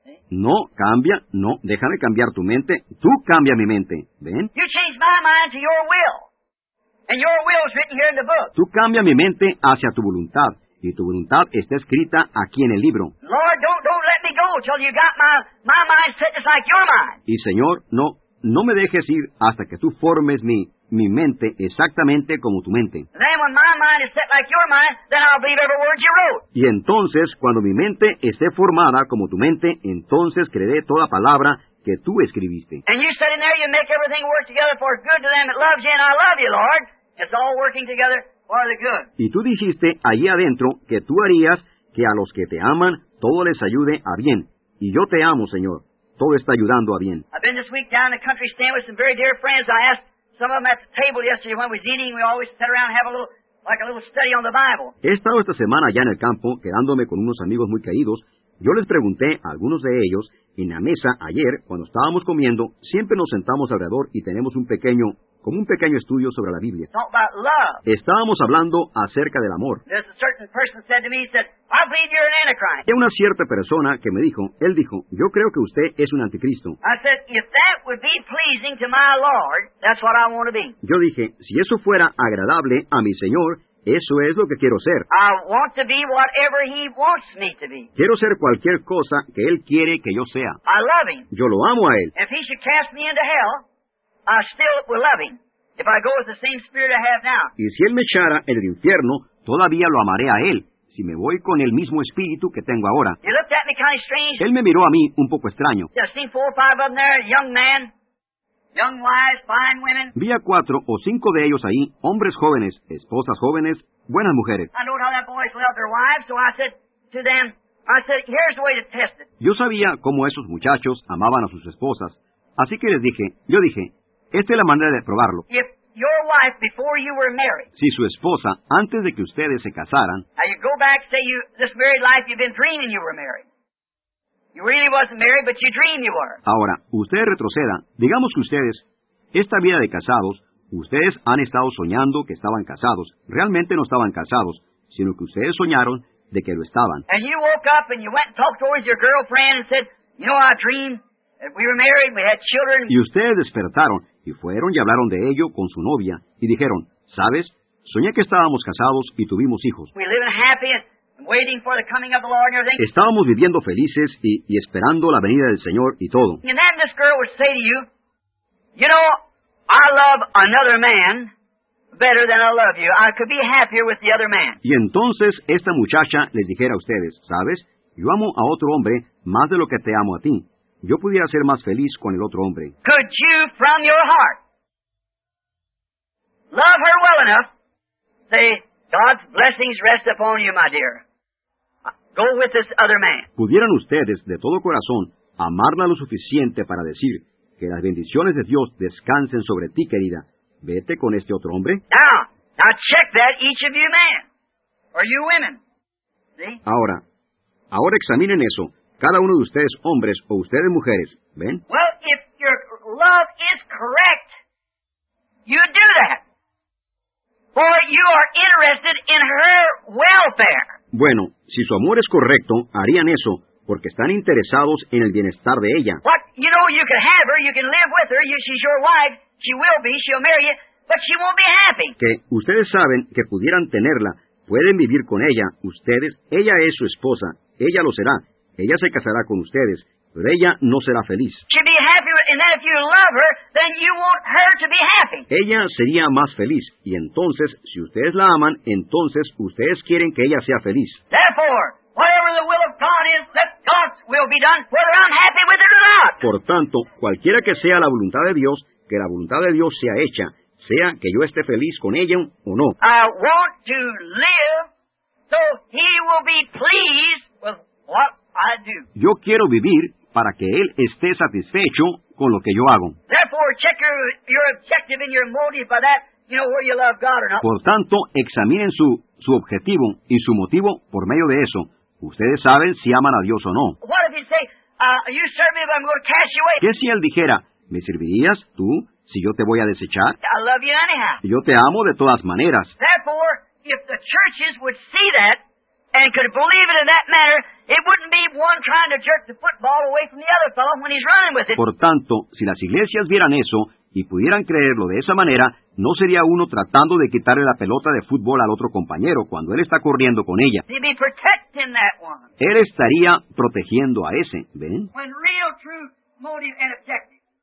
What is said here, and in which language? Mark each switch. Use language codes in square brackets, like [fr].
[es] No, cambia, no, déjame cambiar tu mente. Tú cambia mi mente, ven. [en] You change my mind to your will. And your will is written here in the book. [es] Tú cambia mi mente hacia tu voluntad, y tu voluntad está escrita aquí en el libro. [en] Lord, don't let me go till you got my mind set just like your mind. [es] Y Señor, no me dejes ir hasta que tú formes mi mente exactamente como tu mente. [en] And then when my mind is set like your mind, then I'll believe every word you wrote. [es] Y entonces, cuando mi mente esté formada como tu mente, entonces creeré toda palabra que tú escribiste. [en] And you said in there you make everything work together for good to them that loves you, and I love you, Lord. It's all working together for the good. [es] Y tú dijiste allí adentro que tú harías que a los que te aman todo les ayude a bien. Y yo te amo, Señor. Todo está ayudando a bien. [en] I've been this week down in the country stand with some very dear friends. I asked some of them at the table yesterday when we was eating. We always sit around and have a little study on the Bible. [es] He estado esta semana allá en el campo quedándome con unos amigos muy queridos. Yo les pregunté a algunos de ellos en la mesa ayer, cuando estábamos comiendo, siempre nos sentamos alrededor y tenemos un pequeño estudio sobre la Biblia. [en] Talk about love. [es] Estábamos hablando acerca del amor. [en] There's a certain person said to me, he said, I believe you're an antichrist. [es] Y una cierta persona que me dijo, él dijo, yo creo que usted es un anticristo. [en] I said, if that would be pleasing to my Lord, that's what I want to be. [es] Yo dije, si eso fuera agradable a mi Señor, eso es lo que quiero ser. [en] I want to be whatever he wants me to be. [es] Quiero ser cualquier cosa que él quiere que yo sea. [en] I love him. [es] Yo lo amo a él. [en] If he should cast me into hell, I still will love him. If I go with the same spirit I have now. [es] Y si él me echara en el infierno, todavía lo amaré a él, si me voy con el mismo espíritu que tengo ahora. [en] He looked at me kind of strange. [es] Él me miró a mí un poco extraño. [en] I seen four or five of them there, young man. Young wives, fine women. [es] Vi a cuatro o cinco de ellos ahí, hombres jóvenes, esposas jóvenes, buenas mujeres. [en] I know how that boys love their wives, so I said to them, I said, here's the way to test it. [es] Yo sabía cómo esos muchachos amaban a sus esposas, así que les dije, yo dije, esta es la manera de probarlo. [en] If your wife before you were married. [es] Si su esposa antes de que ustedes se casaran. [en] Now you go back, say you this married life you've been dreaming you were married. You really wasn't married, but you dreamed you were. [es] Ahora, usted retroceda. Digamos que ustedes, esta vida de casados, ustedes han estado soñando que estaban casados. Realmente no estaban casados, sino que ustedes soñaron de que lo estaban. [en] And you woke up and you went and talked towards your girlfriend and said, you know, I dreamed that we were married, we had children. [es] Y ustedes despertaron y fueron y hablaron de ello con su novia y dijeron, ¿sabes? Soñé que estábamos casados y tuvimos hijos. [en] We live in happiness. Waiting for the coming of the Lord and everything. [es] Estábamos viviendo felices y esperando la venida del Señor y todo. [en] And then this girl would say to you, you know, I love another man better than I love you. I could be happier with the other man. [es] Y entonces esta muchacha les dijera a ustedes, ¿sabes? Yo amo a otro hombre más de lo que te amo a ti. Yo pudiera ser más feliz con el otro hombre. [en] Could you, from your heart, love her well enough, say, God's blessings rest upon you, my dear. Go with this other man. [es] ¿Pudieran ustedes, de todo corazón, amarla lo suficiente para decir que las bendiciones de Dios descansen sobre ti, querida. Vete con este otro hombre. [en] Now check that, each of you men. Or you women. See? [es] Ahora examinen eso. Cada uno de ustedes, hombres, o ustedes, mujeres. ¿Ven? [en] Well, if your love is correct, you do that. For you are interested in her welfare. [es] Bueno, si su amor es correcto, harían eso, porque están interesados en el bienestar de ella. [en] What? You know, you can have her, you can live with her, she's your wife, she will be, she'll marry you, but she won't be happy. [es] Que ustedes saben que pudieran tenerla, pueden vivir con ella, ustedes, ella es su esposa, ella lo será, ella se casará con ustedes, pero ella no será feliz. [en] She'll be happy, and then if you love her, then you want her to be happy. [es] Ella sería más feliz, y entonces, si ustedes la aman, entonces ustedes quieren que ella sea feliz. [en] Therefore, whatever the will of God is, let God's will be done, whether I'm happy with it or not. [es] Por tanto, cualquiera que sea la voluntad de Dios, que la voluntad de Dios sea hecha, sea que yo esté feliz con ella o no. [en] I want to live so he will be pleased with what I do. [es] Yo quiero vivir para que él esté satisfecho con lo que yo hago. [en] Therefore, check your objective and your motive by that, you know, whether you love God or not. [es] Por tanto, examinen su objetivo y su motivo por medio de eso. Ustedes saben si aman a Dios o no. [en] What if he say, you serve me, but I'm going to cast you away? [es] ¿Qué si él dijera, me servirías tú si yo te voy a desechar? [en] I love you anyhow. [es] Yo te amo de todas maneras. [en] Therefore, if the churches would see that and could believe it in that manner, it wouldn't be one trying to jerk the football away from the other fellow when he's running with it. [es] Por tanto, si las iglesias vieran eso y pudieran creerlo de esa manera, no sería uno tratando de quitarle la pelota de fútbol al otro compañero cuando él está corriendo con ella. [en] He'd be protecting that one. [es] Él estaría protegiendo a ese, ¿ven? [en] When real, true motive and objective.